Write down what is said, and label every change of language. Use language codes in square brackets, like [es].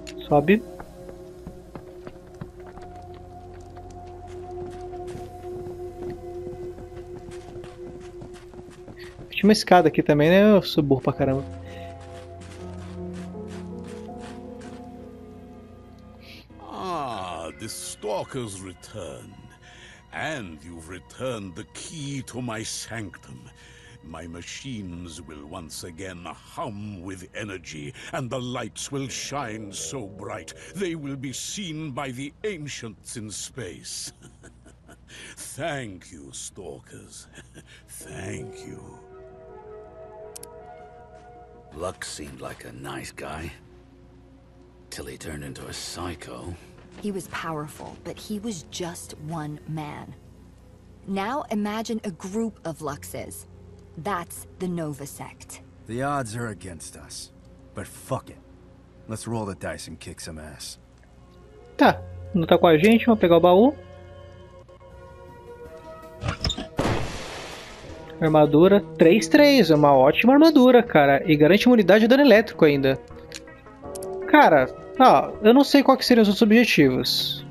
[pt] Sobe. Tinha uma escada aqui também, né? Eu sou burro pra caramba. [en] Ah, the stalkers returned. And you've returned the key to my sanctum. My machines will once again hum with energy, and the lights will shine so bright, they will be seen by the ancients in space. Thank you, stalkers. Thank you. Lux seemed like a nice guy, till he turned into a psycho. He was powerful, but he was just one man. Now imagine a group of Luxes. That's the Nova Sect. The odds are against us, but fuck it. Let's roll the dice and kick some ass. [pt] Tá, não tá com a gente, vamos pegar o baú. Armadura 3-3, é uma ótima armadura, cara. E garante imunidade e dano elétrico ainda. Cara, ó, eu não sei qual que seriam os outros objetivos.